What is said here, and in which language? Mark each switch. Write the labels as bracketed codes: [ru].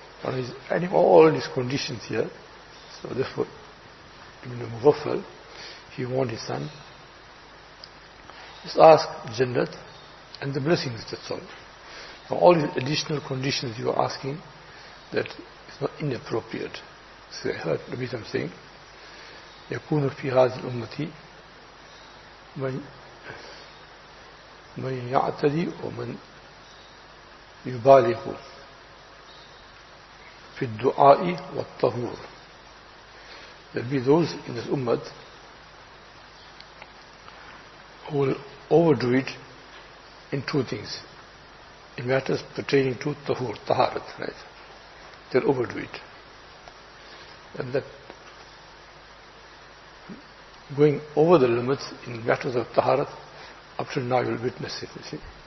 [en] Now he's adding all these conditions here. So therefore, in the muwaffal, he warned his son, just ask Jannat and the blessings, that's all. Now all these additional conditions you are asking, that is not inappropriate. So I heard Nabi Sam saying, [ar] يَكُونُ فِي هَذِ الْأُمَّةِ مَنْ يَعْتَدِي وَمَنْ يُبَالِغُ فِي الدُّعَاءِ وَالطَّهُورِ. [en] There will be those in this ummah who will overdo it in two things, in matters pertaining to tahur, taharat, right? They'll overdo it. And that going over the limits in matters of taharat, up to now you'll witness it, you see.